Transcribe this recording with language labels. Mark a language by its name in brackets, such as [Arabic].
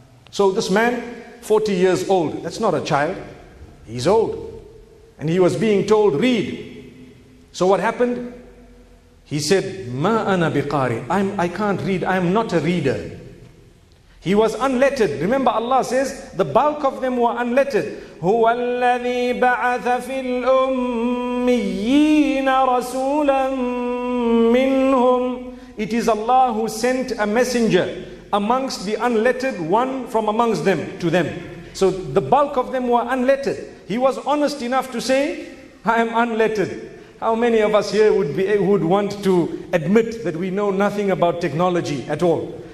[English] So this man, 40 years old, that's not a child, he's old. And he was being told, read. So what happened? He said, [Arabic] Ma ana biqari, [English] I can't read, I am not a reader. He was unlettered. Remember, Allah says the bulk of them were unlettered. [Arabic] هو الذي بعث في الأميين رسولا منهم. [English] It is Allah who sent a messenger amongst the unlettered, one from amongst them, to them. So the bulk of them were unlettered. He was honest enough to say, I am unlettered. How many of us here would want to admit that we know nothing about technology at all?